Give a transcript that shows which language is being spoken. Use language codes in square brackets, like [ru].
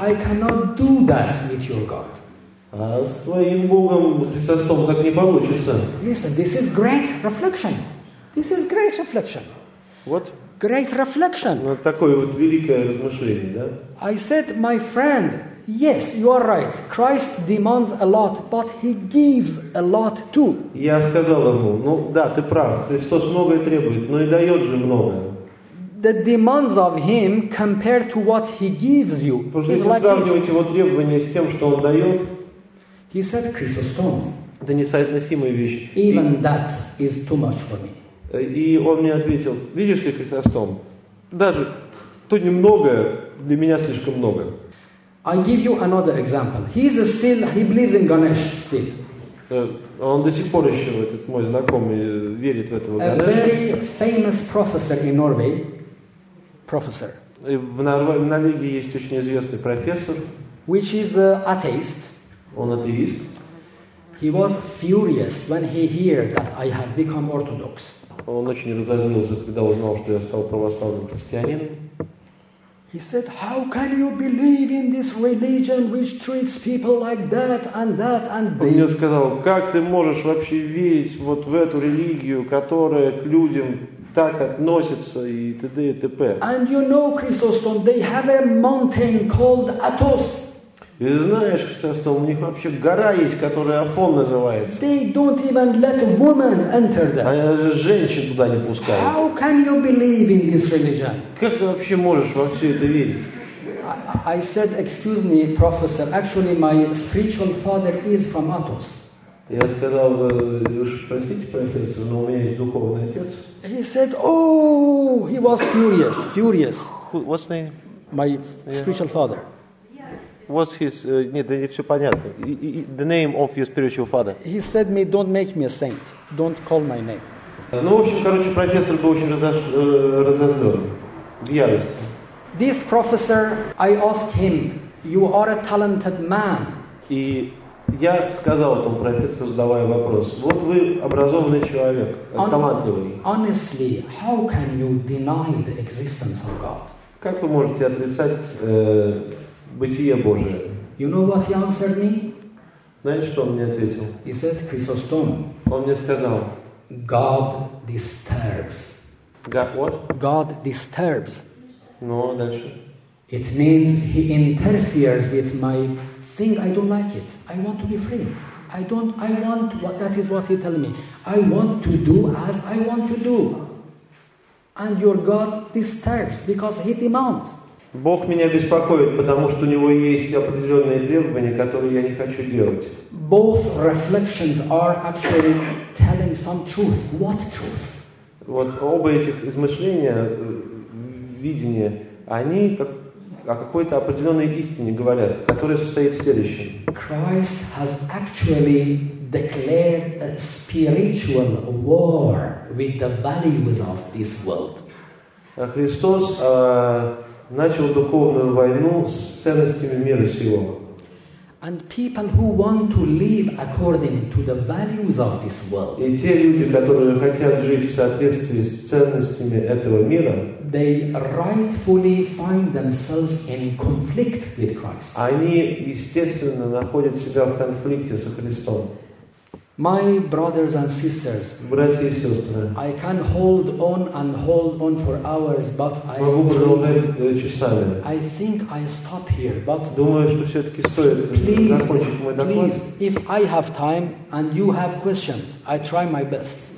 [en] I cannot do that with your God. [ru] А своим Богом Христом так не получится. [en] Listen, this is great reflection. This is great reflection. What? Great reflection. [ru] Вот такое вот великое размышление, да? [en] I said, my friend. Yes, you are right. Christ demands a lot, but he gives a lot too. [ru] Я сказал ему, ну да, ты прав. Христос многое требует, но и дает же многое. [en] The demands of him compared to what he gives you. [ru] Потому что если сравнивать его требования с тем, что он дает, [en] he said, Chrysostom, [ru] это несоотносимая вещь. [en] Even that is too much for me. [ru] И он мне ответил, видишь ли, Chrysostom, даже то немногое для меня слишком много. [en] I give you another example. He's still, he believes in Ganesh still. [ru] Он до сих пор еще этот мой знакомый верит в этого Ганеша. [en] A very famous professor in Norway. Professor. [ru] В Норвегии есть очень известный профессор. [en] Which is an atheist. [ru] Он атеист. [en] He was furious when he heard that I had become Orthodox. [ru] Он очень разозлился, когда узнал, что я стал православным христианином. [en] He said, "How can you believe in this religion which treats people like that and that and this?" [ru] Он мне сказал, как ты можешь вообще верить вот в эту религию, которая к людям так относится и т.д. и т.п. [en] And you know, Chrysostom, they have a mountain called Athos. [ru] И знаешь, Chrysostom, у них вообще гора есть, которая Афон называется. [en] They don't even let a woman enter there. [ru] Они даже женщин туда не пускают. [en] How can you believe in this religion? [ru] Как ты вообще можешь во все это верить? [en] I said, excuse me, professor, actually my spiritual father is from Athos. [ru] Я сказал, уж простите, профессор, но у меня есть духовный отец. [en] He said, oh, he was furious, furious. Who, what's name? My spiritual father. What's his? [ru] Нет, да не все понятно. [en] The name of your spiritual father. He said me, don't make me a saint. Don't call my name. [ru] Ну, в общем, короче, профессор был очень разозлен. В ярости. [en] This professor, I asked him, you are a talented man. [ru] И я сказал этому профессору, задавая вопрос, вот вы образованный человек, талантливый. [en] Honestly, how can you deny the existence of God? [ru] Как вы можете отрицать бытие Божие. [en] You know what he answered me? [ru] Знаете, что он мне ответил? [en] He said, Chrysostom. [ru] Он мне сказал. [en] God disturbs. God what? God disturbs. [ru] Ну, дальше. [en] It means he interferes with my thing. I don't like it. I want to be free. I want what that is what he tells me. I want to do as I want to do. And your God disturbs because he demands. [ru] Бог меня беспокоит, потому что у него есть определенные требования, которые я не хочу делать. [en] Both reflections are actually telling some truth. What truth? [ru] Вот оба этих измышления, видения, они о какой-то определенной истине говорят, которая состоит в следующем. [en] Christ has actually declared a spiritual war with the values of this world. [ru] Христос начал духовную войну с ценностями мира сего. [en] And people who want to live according to the values of this world. [ru] И те люди, которые хотят жить в соответствии с ценностями этого мира, [en] they rightfully find themselves in conflict with Christ. [ru] Они естественно находят себя в конфликте со Христом. [en] My brothers and sisters, [ru] братья и сестры, [en] I can hold on and hold on for hours, but I think I stop here. But [ru] думаю, что все-таки стоит закончить мой доклад. [en] Please, if I have time and you have questions, I try my best.